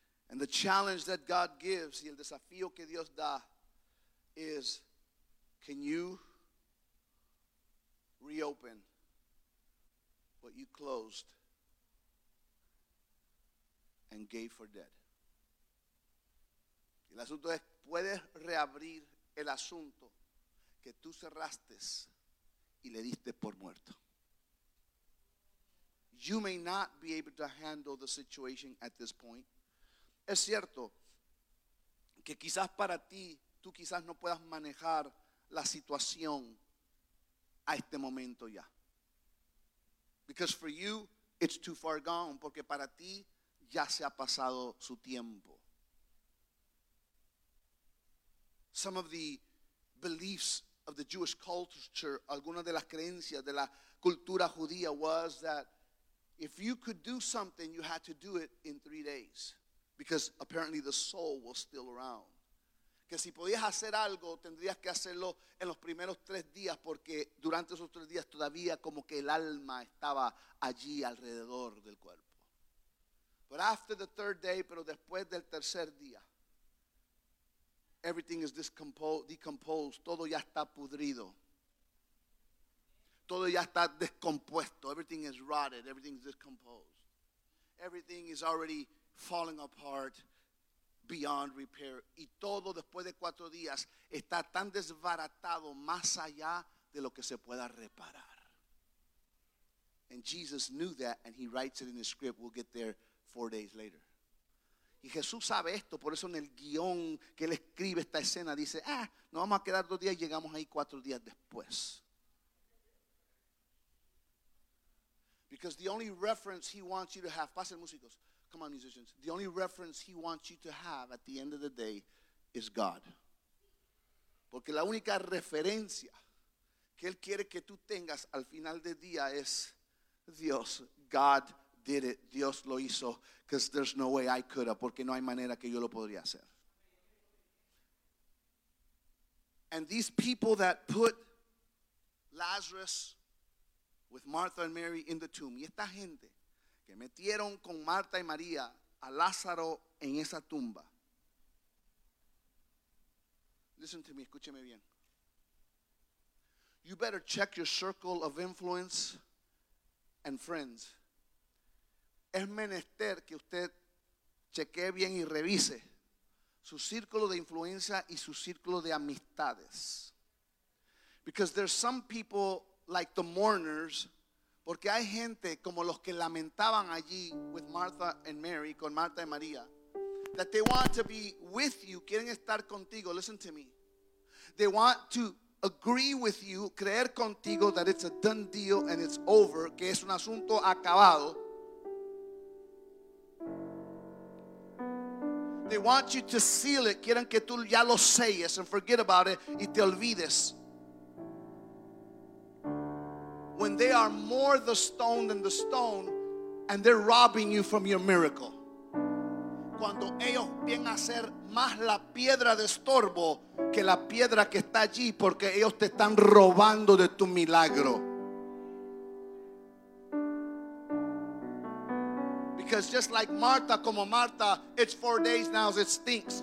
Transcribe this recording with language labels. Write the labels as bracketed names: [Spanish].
[English] And the challenge that God gives, [Spanish] y el desafío que Dios da, [English] is, can you reopen what you closed and gave for dead? [Spanish] El asunto es, ¿puedes reabrir el asunto que tú cerraste y le diste por muerto? [English] You may not be able to handle the situation at this point. [Spanish] Es cierto que quizás para ti, tú quizás no puedas manejar la situación a este momento ya. [English] Because for you, it's too far gone. [Spanish] Porque para ti, ya se ha pasado su tiempo. [English] Some of the beliefs of the Jewish culture, [Spanish] algunas de las creencias de la cultura judía, [English] was that if you could do something, you had to do it in 3 days. Because apparently the soul was still around. [Spanish] Que si podías hacer algo, tendrías que hacerlo en los primeros 3 días, porque durante esos 3 días todavía como que el alma estaba allí alrededor del cuerpo. [English] But after the third day, [Spanish] pero después del tercer día, [English] everything is decomposed. [Spanish] Todo ya está pudrido. Todo ya está descompuesto. [English] Everything is rotted. Everything is decomposed. Everything is already falling apart. beyond repair. [Spanish] Y todo después de cuatro días está tan desbaratado más allá de lo que se pueda reparar. [English] And Jesus knew that, and he writes it in his script. We'll get there 4 days later. [Spanish] Y Jesús sabe esto, por eso en el guión que él escribe esta escena dice, ah, nos vamos a quedar dos días y llegamos ahí cuatro días después. [English] Because the only reference he wants you to have, [Spanish] pasen músicos, [English] come on musicians, the only reference he wants you to have at the end of the day is God. [Spanish] Porque la única referencia que él quiere que tú tengas al final del día es Dios, [English] God did it, [Spanish] Dios lo hizo, [English] because there's no way I could have, [Spanish] porque no hay manera que yo lo podría hacer. [English] And these people that put Lazarus with Martha and Mary in the tomb, [Spanish] y esta gente que metieron con Marta y María a Lázaro en esa tumba. [English] Listen to me, [Spanish] escúcheme bien. [English] You better check your circle of influence and friends. [Spanish] Es menester que usted chequee bien y revise su círculo de influencia y su círculo de amistades. [English] Because there's some people like the mourners, [Spanish] porque hay gente como los que lamentaban allí [English] with Martha and Mary, [Spanish] con Marta y María, [English] that they want to be with you, [Spanish] quieren estar contigo, [English] listen to me. They want to agree with you, [Spanish] creer contigo [English] that it's a done deal and it's over, [Spanish] que es un asunto acabado. [English] They want you to seal it. [Spanish] Quieren que tú ya lo selles [English] and forget about it [Spanish] y te olvides. [English] When they are more the stone than the stone and they're robbing you from your miracle. [Spanish] Cuando ellos vienen a ser más la piedra de estorbo que la piedra que está allí, porque ellos te están robando de tu milagro. [English] Because just like Martha, [Spanish] como Martha, [English] it's 4 days now, it stinks.